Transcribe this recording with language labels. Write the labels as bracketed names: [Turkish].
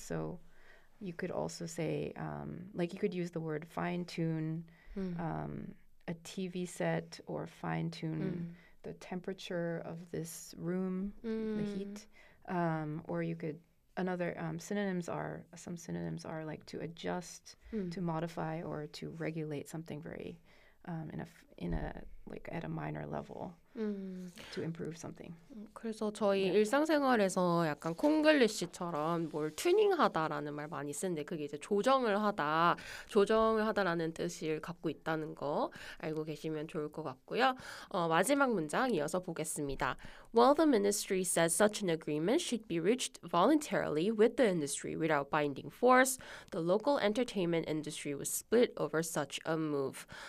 [English] So you could also say, like you could use the word fine-tune a TV set or fine-tune the temperature of this room, the heat, or you could Another synonyms are like to adjust, to modify, or to regulate something very at a minor level to improve something. [Korean] 그래서 저희 yeah. 일상생활에서 약간 콩글리시처럼 뭘 튜닝하다라는 말 많이 쓰는데 그게 이제 조정을 하다라는 뜻을 갖고 있다는 거 알고 계시면 좋을 것 같고요. 마지막 문장 이어서 보겠습니다. [English] While the ministry says such an agreement should be reached voluntarily with the industry without binding force, the local entertainment industry was split over such a move.